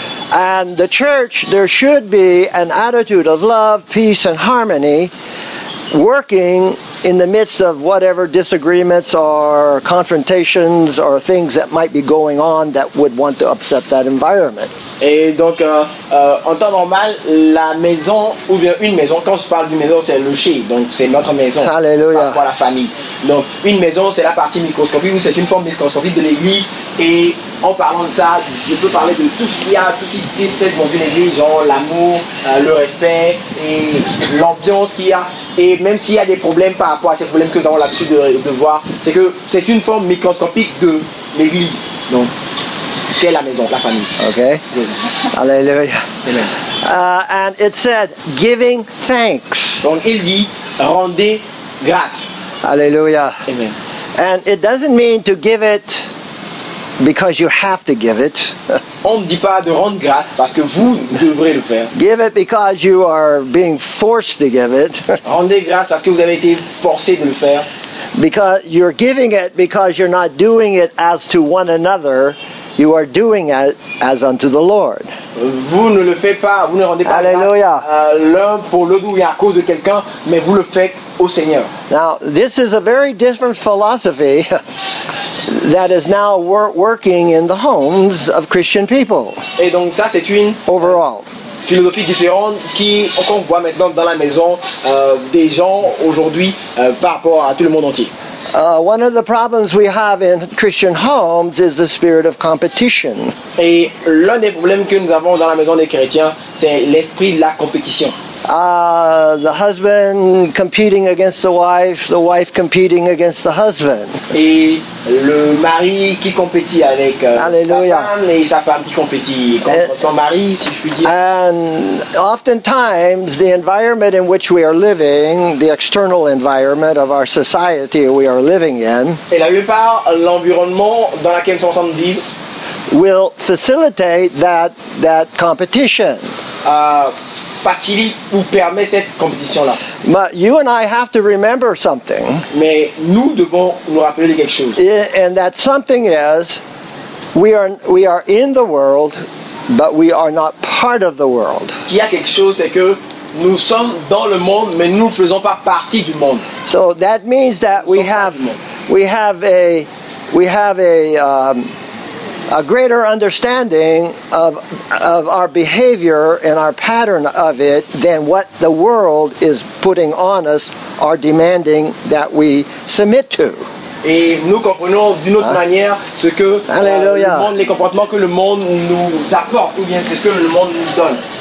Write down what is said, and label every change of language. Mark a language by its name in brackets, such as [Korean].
[English] And the church, there should be an attitude of love, peace, and harmony working in the midst of whatever disagreements or confrontations or things that might be going on that would want to upset that environment. [French] Et donc, en temps normal, la maison, ou bien une maison, quand je parle d'une maison, c'est le chez, donc c'est notre maison. Alléluia. Parfois la famille. Donc, une maison, c'est la partie microscopique, ou c'est une forme microscopique de l'église. Et en parlant de ça, je peux parler de tout ce qu'il y a, tout ce qui est fait dans une église, genre l'amour, le respect, et l'ambiance qu'il y a. Et même s'il y a des problèmes par rapport à ces problèmes que nous avons l'habitude de voir, c'est que c'est une forme microscopique de l'église. Donc, c'est la maison, la famille. Ok. Oui. Alléluia. Amen. [English] And it said, giving thanks. [French] Donc, il dit, rendez grâce. Alléluia. Amen. [English] And it doesn't mean to give it because you have to give it. [French] On ne dit pas de rendre grâce parce que vous devrez le faire. [English] Give it because you are being forced to give it. [French] Rendez grâce parce que vous avez été forcé de le faire. [English] Because you're giving it because you're not doing it as to one another. You are doing it as unto the Lord. [French] Vous ne le faites pas, vous ne rendez pas Alleluia. Grâce l'un pour l'autre ou à cause de quelqu'un, mais vous le faites au Seigneur. [English] Now, this is a very different philosophy that is now working in the homes of Christian people. [French] Et donc ça, c'est une [English] overall [French] philosophie différente qu'on voit maintenant dans la maison des gens aujourd'hui par rapport à tout le monde entier. [English] One of the problems we have in Christian homes is the spirit of competition. [French] Et l'un des problèmes que nous avons dans la maison des chrétiens, c'est l'esprit de la compétition. [English] The husband competing against the wife competing against the husband. [French] Et le mari qui compétit avec Alléluia. Sa femme et sa femme qui compétit contre son mari, si je puis dire. [English] And oftentimes the environment in which we are living, the external environment of our society we are living in. [French] Et la plupart l'environnement dans lequel nous sommes en train de vivre. [English] Will facilitate that competition. [French] Facilite ou permet cette compétition-là. [English] But you and I have to remember something. [French] Mais nous devons nous rappeler quelque chose. [English] And that something is, we are in the world, but we are not part of the world. [French] Il y a quelque chose, c'est que nous sommes dans le monde, mais nous ne faisons pas partie du monde. [English] So that means that we have a greater understanding of our behavior and our pattern of it than what the world is putting on us or demanding that we submit to. [French] Et nous comprenons d'une autre manière ce que le monde, les comportements que le monde nous apporte ou bien c'est ce que le monde nous donne.